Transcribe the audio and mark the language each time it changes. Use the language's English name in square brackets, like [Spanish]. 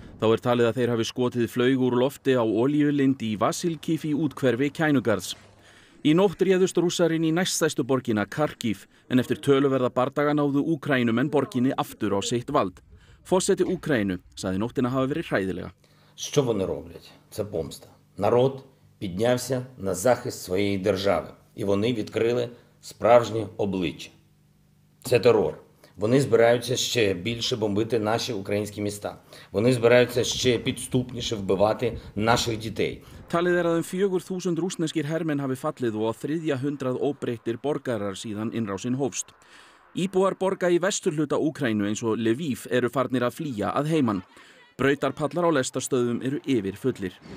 [Icelandic] Þá talið að þeir hafi skotið flaug úr lofti á olíulind í Vasilkíf í úthverfi Kænugarðs. Í nótt réðust Rússar inn í næststærstu borgina Kharkiv, en eftir töluverða bardaga náðu Úkraínumenn borginni aftur á sitt vald. Forseti Úkraínu sagði nóttina hafa verið hræðilega. [Ukrainian] Що вони роблять? Це помста. Народ піднявся на захист своєї держави, і вони відкрили справжнє обличчя. Це терор. Вони збираються ще більше бомбити наші українські міста. Вони збираються ще підступніше вбивати наших дітей. [Icelandic] Talið að 4,000 rússneskir hermenn hafi fallið og á 300 óbreyttir borgarar síðan innrásin hófst. Íbúar borga í vesturhluta Úkraínu eins og Lviv eru farnir að flýja að heiman. Brautarpallar á lestarstöðum eru yfir fullir.